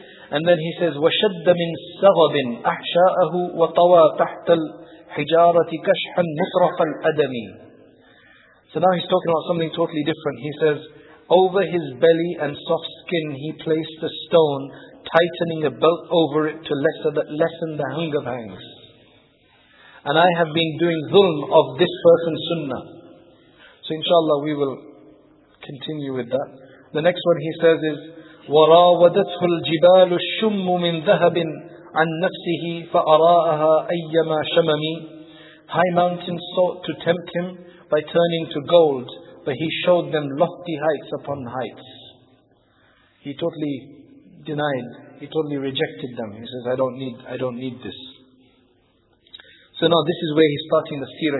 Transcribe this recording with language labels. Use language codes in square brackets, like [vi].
[en] And then he says, [ar] وَشَدَّ مِنْ سَغَبٍ أَحْشَاءَهُ وَطَوَى تَحْتَ الْحِجَارَةِ كَشْحًا مُطْرَقَ الْأَدَمِي. [en] So now he's talking about something totally different. He says, over his belly and soft skin he placed a stone, tightening a belt over it to lessen the hunger pangs. And I have been doing zulm of this person's sunnah. So inshallah we will continue with that. The next one he says is, [ar] وَرَاوَدَتْهُ الْجِبَالُ الشُّمُّ مِنْ ذَهَبٍ عَنْ نَفْسِهِ فَأَرَاءَهَا أَيَّمَا شَمَمِي. [en] High mountains sought to tempt him by turning to gold, but he showed them lofty heights upon heights. He totally denied, he totally rejected them. He says, I don't need this. So now this is where he's starting the seerah.